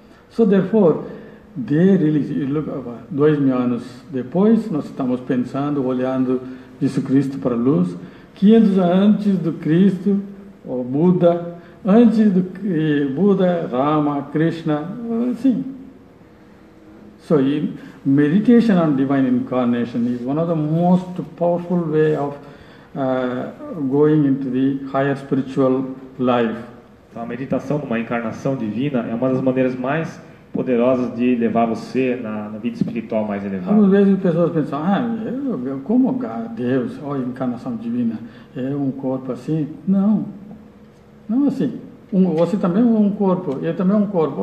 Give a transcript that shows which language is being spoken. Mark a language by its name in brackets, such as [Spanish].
[English] So therefore, they release, look, [Portuguese] 2000 anos depois, nós estamos pensando, olhando Jesus Cristo para a luz. 500 anos antes do Cristo, o Buda, antes do Buda, Rama, Krishna, assim. [English] So, meditation on divine incarnation is one of the most powerful way of going into the higher spiritual life. [Portuguese] Então, a meditação numa encarnação divina é uma das maneiras mais poderosas de levar você na vida espiritual mais elevada. Às vezes as pessoas pensam, como Deus, a encarnação divina, é um corpo assim? Não, não assim. Você também é um corpo, eu também é um corpo.